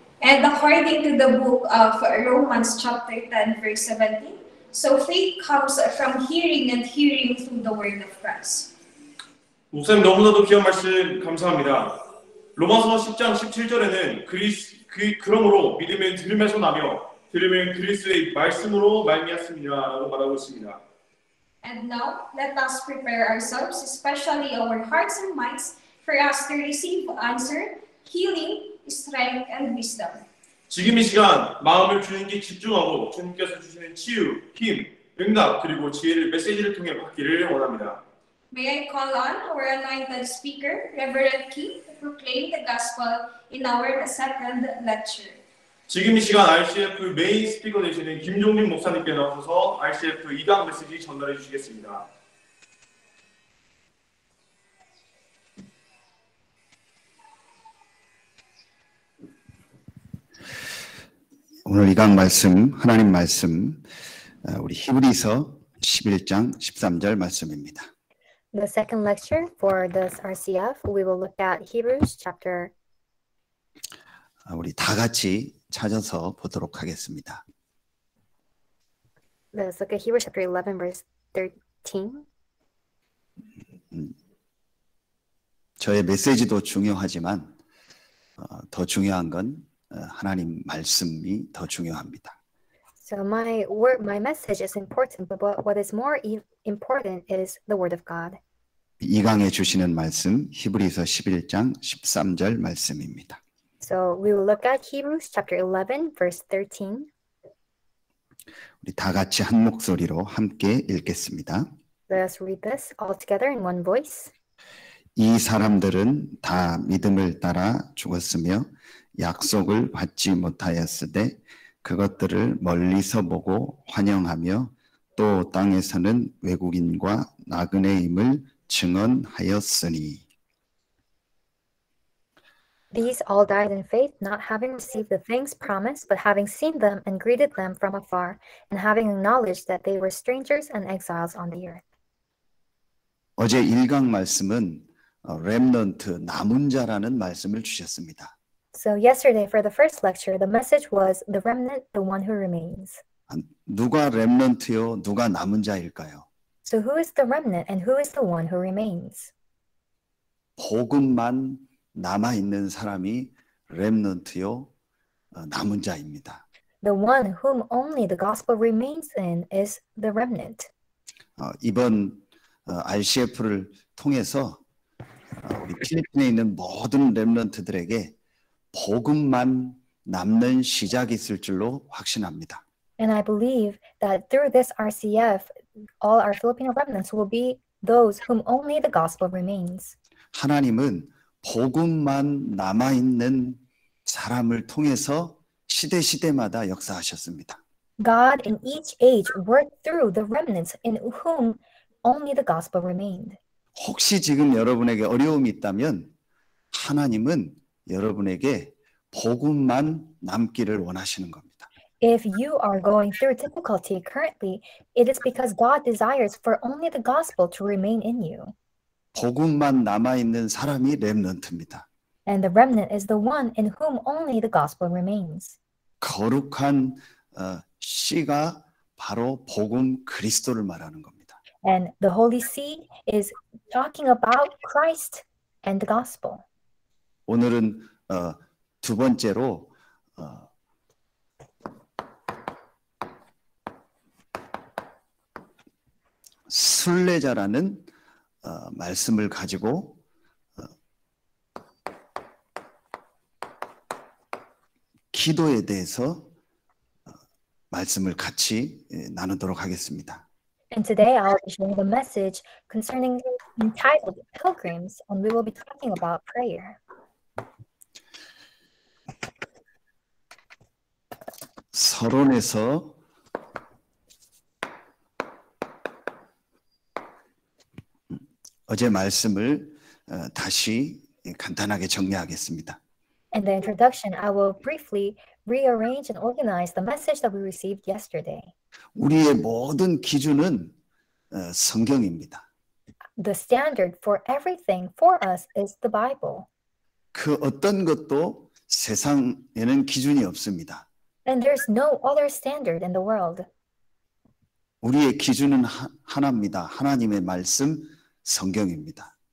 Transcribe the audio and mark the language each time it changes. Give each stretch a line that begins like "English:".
English: And according to the book of Romans chapter 10 verse 17, so faith comes from hearing and hearing through the word of Christ.
Korean: 목사님 너무나도 귀한 말씀 감사합니다. 로마서 10장 17절에는 그러므로 믿음은 들음에서 나며 들음은 그리스도의 말씀으로 말미암았느니라라고 말하고 있습니다.
English: And now let us prepare ourselves, especially our hearts and minds, for us to receive answer, healing, strength, and wisdom.
Korean: 지금 이 시간 마음을 주님께 집중하고 주님께서 주시는 치유, 힘, 응답 그리고 지혜를 메시지를 통해 받기를 원합니다.
English: May I call on our anointed speaker, Reverend King, to proclaim the gospel in our second lecture.
Korean: 지금 이 시간 RCF 메인 스피커 되시는 김종민 목사님께 나오셔서 RCF 2강 메시지 전달해 주시겠습니다. (웃음) 오늘 2강 말씀, 하나님 말씀, 우리 히브리서 11장 13절 말씀입니다.
English: The second lecture for this RCF, we will look at Hebrews chapter.
Korean: 우리 다 같이 찾아서 보도록 하겠습니다.
English: Let's look at Hebrews chapter 11, verse 13.
Korean: 저의 메시지도 중요하지만 더 중요한 건 하나님 말씀이 더 중요합니다.
English: So my word, my message is important, but what is more important is the word of God.
Korean: 2강에 주시는 말씀 히브리서 11장 13절 말씀입니다.
English: So we will look at Hebrews chapter 11 verse 13.
Korean: 우리 다 같이 한 목소리로 함께 읽겠습니다.
English: Let us read this all together in one voice.
Korean: 이 사람들은 다 믿음을 따라 죽었으며 약속을 받지 못하였으되 그것들을 멀리서 보고 환영하며 또 땅에서는 외국인과 나그네임을 증언하였으니.
English: These all died in faith, not having received the things promised, but having seen them and greeted them from afar, and having acknowledged that they were strangers and exiles on the earth.
Korean: 어제 1강 말씀은 remnant, 남은 자라는 말씀을 주셨습니다.
English: So yesterday for the first lecture, the message was the remnant, the one who remains.
Korean: 누가 remnant요? 누가 남은 자일까요?
English: So who is the remnant and who is the one who remains?
Korean: 복음만 남아 있는 사람이 렘넌트요, 남은 자입니다.
English: The one whom only the gospel remains in is the remnant.
Korean: 이번 RCF를 통해서 우리 필리핀에 있는 모든 렘넌트들에게 복음만 남는 시작이 있을 줄로 확신합니다.
English: And I believe that through this RCF, all our Filipino remnants will be those whom only the gospel remains.
Korean: 하나님은 복음만 남아 있는 사람을 통해서 시대 시대마다 역사하셨습니다.
English: God in each age worked through the remnants in whom only the gospel remained.
Korean: 혹시 지금 여러분에게 어려움이 있다면 하나님은 여러분에게 복음만 남기를 원하시는 겁니다.
English: If you are going through difficulty currently, it is because God desires for only the gospel to remain in you.
Korean: 복음만 남아 있는 사람이 렘넌트입니다.
English: And the remnant is the one in whom only the gospel remains.
Korean: 거룩한 씨가 바로 복음 그리스도를 말하는 겁니다.
English: And the holy seed is talking about Christ and the gospel.
Korean: 오늘은 두 번째로 순례자라는 말씀을 가지고 기도에 대해서 말씀을 같이 나누도록 하겠습니다.
English: And today I'll be sharing the message concerning entitled Pilgrims, and we will be talking about prayer.
Korean: 서론에서 어제 말씀을 다시 간단하게 정리하겠습니다.
English: In the introduction, I will briefly rearrange and organize the message that we received yesterday.
Korean: 우리의 모든 기준은 성경입니다.
English: The standard for everything for us is the Bible.
Korean: 그 어떤 것도 세상에는 기준이 없습니다.
English: And there's no other standard in the world.
Korean: 우리의 기준은 하나입니다. 하나님의 말씀, 성경입니다.